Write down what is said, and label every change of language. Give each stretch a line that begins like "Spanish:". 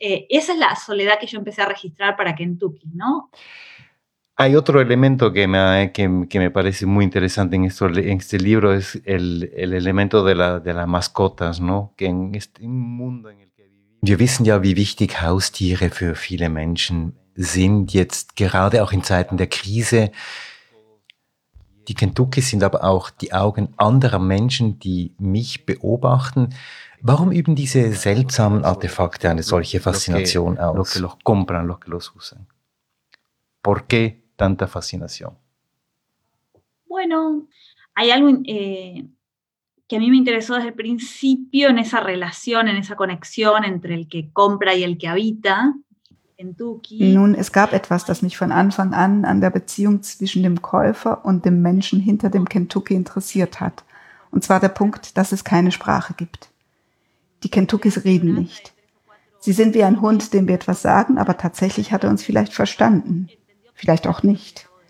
Spanish: Esa es la soledad que yo empecé a registrar para Kentucky, ¿no? Hay otro elemento que me parece muy interesante en esto, en este libro, es el elemento de las mascotas, ¿no? Que en este mundo en el que vivimos.
German: Wir wissen ja, wie wichtig Haustiere für viele Menschen sind, jetzt gerade auch in Zeiten der Krise. Die Kentucky sind aber auch die Augen anderer Menschen, die mich beobachten. Warum üben diese seltsamen Artefakte eine solche Faszination aus?
Spanish: Los que los compran, los que los usan. ¿Por qué tanta fascinación? Bueno, hay algo que a mí me interesó desde el principio en esa relación, en esa conexión entre el que compra y el que habita.
German: Nun, es gab etwas, das mich von Anfang an der Beziehung zwischen dem Käufer und dem Menschen hinter dem Kentucky interessiert hat. Und zwar der Punkt, dass es keine Sprache gibt. Die Kentuckys reden nicht. Sie sind wie ein Hund, dem wir etwas sagen, aber tatsächlich hat er uns vielleicht verstanden. Vielleicht auch nicht.